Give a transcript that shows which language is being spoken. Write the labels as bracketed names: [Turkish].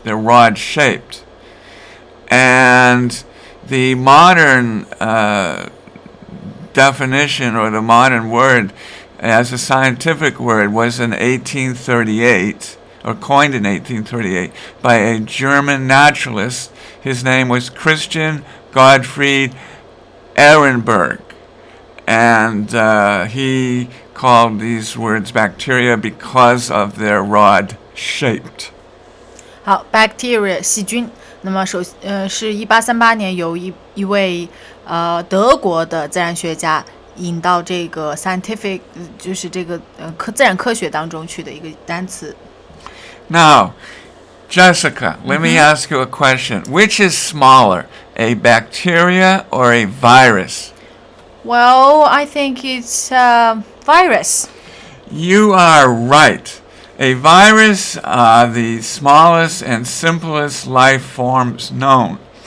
[English] They're rod-shaped. And the modern definition or the modern word as a scientific word was in 1838, or coined in 1838, by a German naturalist. His name was Christian Gottfried Ehrenberg. And he called these words bacteria because of their rod-shaped. [Chinese] 好, bacteria, 细菌。那么首是1838年由一位德国的自然学家引到这个 scientific, 就是这个自然科学当中去的一个单词。 [English] Now, Jessica, let me ask you a question. Which is smaller, a bacteria or a virus? Well, I think it's a virus. You are right. A virus are the smallest and simplest life forms known.